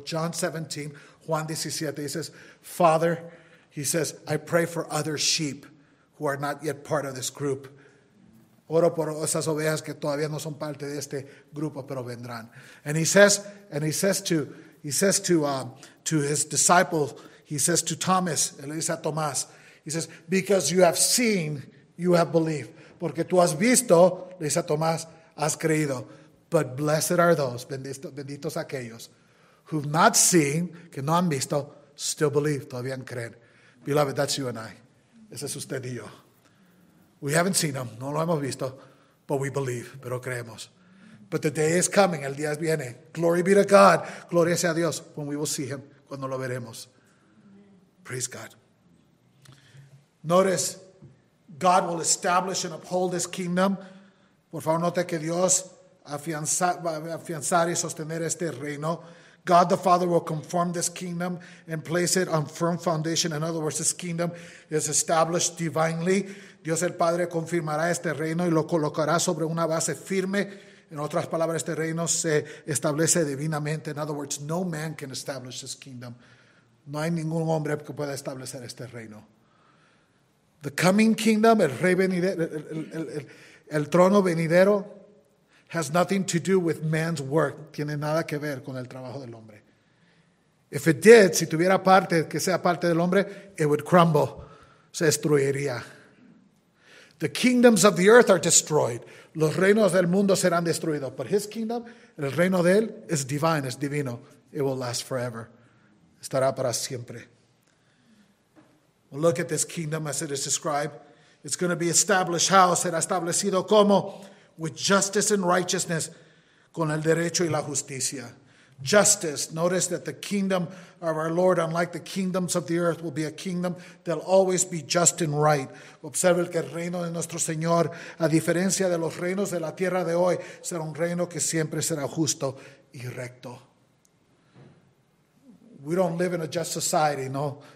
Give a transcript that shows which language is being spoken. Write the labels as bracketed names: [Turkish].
[English] John 17, Juan 17, he says, Father, he says, I pray for other sheep who are not yet part of this group. [Spanish] Oro por esas ovejas que todavía no son parte de este grupo, pero vendrán. [English] And he says to his disciples, he says to Thomas, [Spanish] él dice a Tomás, [English] he says, because you have seen, you have believed. [Spanish] Porque tú has visto, le dice a Tomás, has creído. [English] But blessed are those, [Spanish] benditos aquellos, [English] who've not seen, [Spanish] que no han visto, [English] still believe, [Spanish] todavía creen. [English] Beloved, that's you and I. [Spanish] Ese es usted y yo. [English] We haven't seen him, [Spanish] no lo hemos visto, [English] but we believe, [Spanish] pero creemos. [English] But the day is coming, [Spanish] el día viene. [English] Glory be to God, [Spanish] gloria sea a Dios, [English] when we will see him, [Spanish] cuando lo veremos. [English] Praise God. Notice, God will establish and uphold his kingdom. [Spanish] Por favor, note que Dios afianzar y sostener este reino. [English] God the Father will confirm this kingdom and place it on firm foundation. In other words, this kingdom is established divinely. [Spanish] Dios el Padre confirmará este reino y lo colocará sobre una base firme. En otras palabras, este reino se establece divinamente. [English] In other words, no man can establish this kingdom. [Spanish] No hay ningún hombre que pueda establecer este reino. [English] The coming kingdom, [Spanish] el rey venidero, el trono venidero, [English] has nothing to do with man's work. [Spanish] Tiene nada que ver con el trabajo del hombre. [English] If it did, [Spanish] si tuviera parte, que sea parte del hombre, [English] it would crumble. [Spanish] Se destruiría. [English] The kingdoms of the earth are destroyed. [Spanish] Los reinos del mundo serán destruidos. [English] But his kingdom, [Spanish] el reino de él, [English] is divine, [Spanish] es divino. [English] It will last forever. [Spanish] Estará para siempre. [English] Look at this kingdom as it is described. It's going to be established. How? [Spanish] Será establecido como? [English] With justice and righteousness. [Spanish] Con el derecho y la justicia. [English] Justice. Notice that the kingdom of our Lord, unlike the kingdoms of the earth, will be a kingdom that will always be just and right. [Spanish] Observe que el reino de nuestro Señor, a diferencia de los reinos de la tierra de hoy, será un reino que siempre será justo y recto. [English] We don't live in a just society, no.